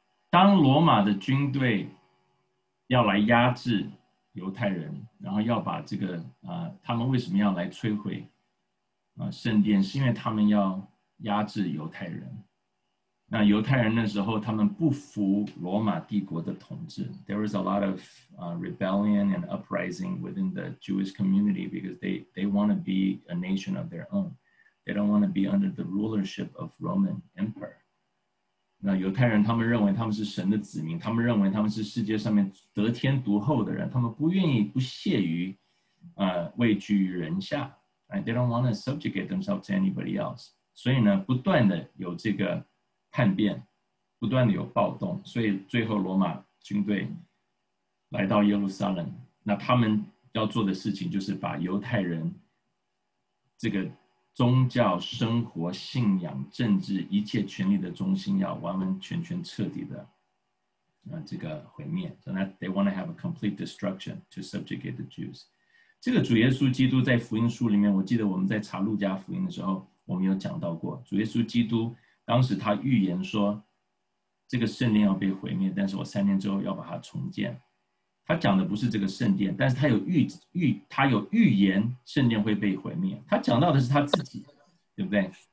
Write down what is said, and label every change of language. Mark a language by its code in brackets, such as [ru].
[zh] 当罗马的军队要来压制犹太人，然后要把这个、他们为什么要来摧毁、圣殿，是因为他们要压制犹太人。那犹太人那时候他们不服罗马帝国的统治， [en] There was a lot of、rebellion and uprising within the Jewish community because they want to be a nation of their own. They don't want to be under the rulership of Roman Emperor. [zh] 那犹太人他们认为他们是神的子民，他们认为他们是世界上面得天独厚的人，他们不愿意不屑于、位居于人下、 [en] right? They don't want to subjugate themselves to anybody else. [zh] 所以呢不断的有这个叛变，不断的有暴动，所以最后罗马军队来到耶路撒冷，那他们要做的事情就是把犹太人这个宗教、生活、信仰、政治一切权力的中心要完完全全彻底的、这个毁灭。 [en] So that they want to have a complete destruction to subjugate the Jews. [zh] 这个主耶稣基督在福音书里面，我记得我们在查路加福音的时候我们有讲到过，主耶稣基督当时他预言说这个圣殿要被毁灭，但是我三天之后要把它重建。他讲的不是这个圣殿，但是他有预言圣殿会被毁灭，他讲到的是他自己，对不对？